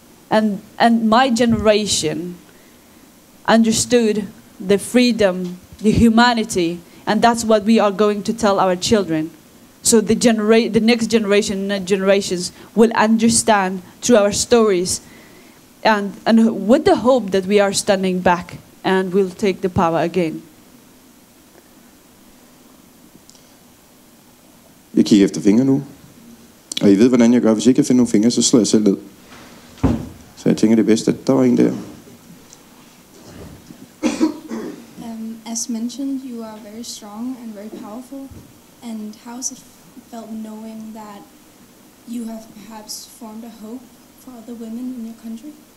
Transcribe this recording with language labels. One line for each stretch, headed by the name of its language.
English: And my generation understood the freedom, the humanity, and that's what we are going to tell our children. So the next generation and generations will understand through our stories and with the hope that we are standing back and we'll take the power again.
Danish: Jeg kigger efter fingre nu. Og I ved, hvordan jeg gør. Hvis ikke jeg finder nogle fingre, så slår jeg selv ned. Så jeg tænker, det bedste, at der var en der.
English: As mentioned, you are very strong and very powerful. And how is it felt knowing that you have perhaps formed a hope for other women in your country?